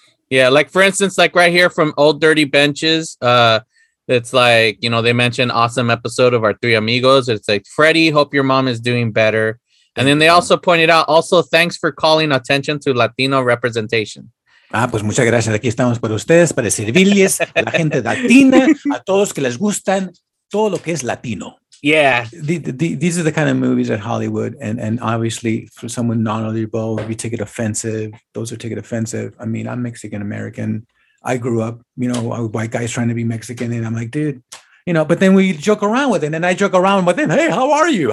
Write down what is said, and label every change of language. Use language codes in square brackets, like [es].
[en] Yeah. Like, for instance, like right here from Old Dirty Benches, it's like, you know, they mentioned awesome episode of our three amigos. It's like, Freddie, hope your mom is doing better. And then they also pointed out, also, thanks for calling attention to Latino representation. [es] Ah, pues muchas gracias. Aquí estamos para ustedes, para servirles a la gente latina, a todos que les gustan todo lo que es Latino. [en] Yeah, these are the kind of movies at Hollywood, and obviously for someone non-eligible, we take it offensive. Those are taking it offensive. I mean, I'm Mexican American. I grew up, you know, a white guy's trying to be Mexican, and I'm like, dude, you know. But then we joke around with it, and I joke around with them. Hey, how are you?